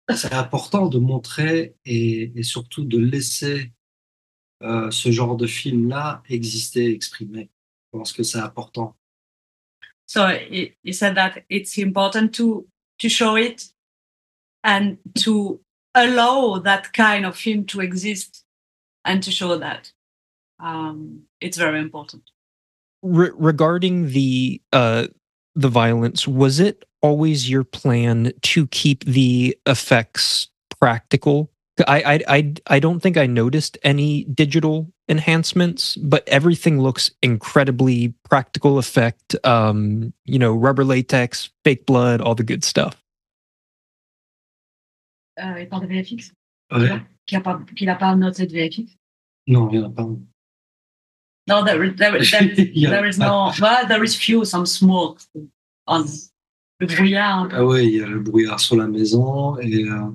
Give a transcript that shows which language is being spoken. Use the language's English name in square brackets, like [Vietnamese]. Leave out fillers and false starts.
[French] C'est important de montrer et surtout de laisser ce genre de film-là exister, exprimer. Je pense que c'est important. [English] So he said that it's important to show it and to allow that kind of film to exist and to show that. It's very important. Regarding the violence, was it always your plan to keep the effects practical? I don't think I noticed any digital enhancements, but everything looks incredibly practical effect. You know, rubber latex, fake blood, all the good stuff. [French] Il parle de VFX. Qu'il a pas noté de VFX. Non, il y en a pas. [English] There is few some smoke on le brouillard. [French] Ah ouais, il y a le brouillard sur la maison et.